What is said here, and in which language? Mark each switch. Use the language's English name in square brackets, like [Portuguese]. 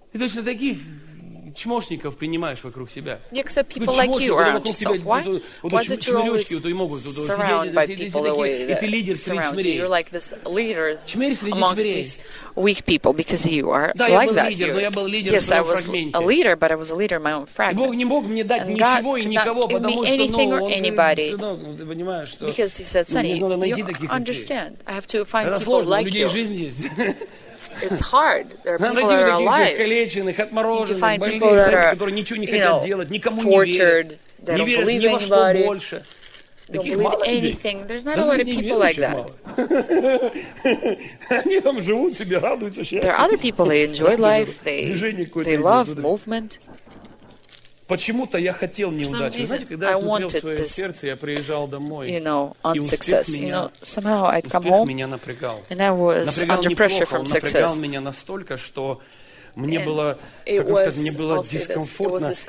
[Russian] Ты точно таких чмошников принимаешь вокруг себя. [English] You accept people like you around yourself. Why? Why is it you're always surrounded by people the way that surround you? You're like this leader amongst these weak people because you are like that. Yes, I was a leader, but I was a leader in my own fragment. And God could not give me anything or anybody because he said, Sonny, you understand. I have to find people like you. It's hard. There are people that are alive. You find people that are, tortured, they don't believe anybody, don't believe anything. There's not a lot of people like that. There are other people, they enjoy life, they love movement. [Russian] Почему-то я хотел неудачи. Знаете, когда я смотрел в свое сердце, я приезжал домой, [English] you know, [Russian] и успех меня напрягал. Напрягал не плохо, он напрягал меня настолько, что мне было, мне было дискомфортно.